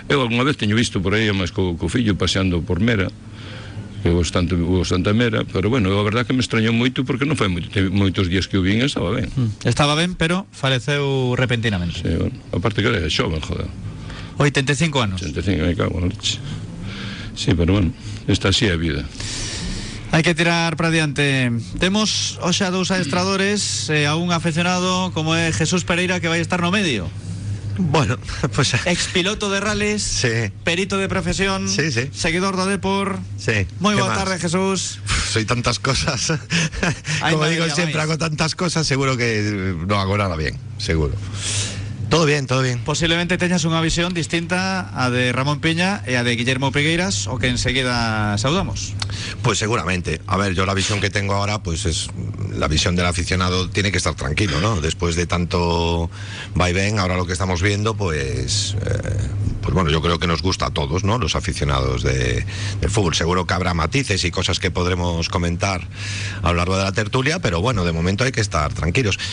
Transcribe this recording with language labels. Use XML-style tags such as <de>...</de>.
<gl>Eu alguna vez teño visto por aí, mas co fillo, paseando por Mera, que bastante Mera, pero bueno, a verdad que me extrañou moito, porque non foi moitos días que o vin, estaba ben. Estaba ben, pero faleceu repentinamente. Sí, bueno, aparte que era xoven, joder. 85 anos. 85, me cago na leche. Sí, pero bueno, está así a vida. Hai que tirar para diante. Temos hoxe a dous adestradores, a un aficionado como é Jesús Pereira, que vai estar no medio.</gl> <es>Bueno, pues ex piloto de rallies, sí. Perito de profesión, sí, sí. Seguidor de Depor, sí. Muy buena tarde, Jesús. Soy tantas cosas. Ay, como digo, siempre hago tantas cosas, seguro que no hago nada bien, seguro. Todo bien, todo bien.</es> <gl>Posiblemente teñas unha visión distinta a de Ramón Piña e a de Guillermo Pigueiras, o que enseguida saudamos.</gl> <es>Pues seguramente. A ver, yo la visión que tengo ahora, pues es la visión del aficionado, tiene que estar tranquilo, ¿no? Después de tanto vaivén, ahora lo que estamos viendo, pues bueno, yo creo que nos gusta a todos, ¿no? Los aficionados del fútbol. Seguro que habrá matices y cosas que podremos comentar a lo largo de la tertulia, pero bueno, de momento hay que estar tranquilos.</es>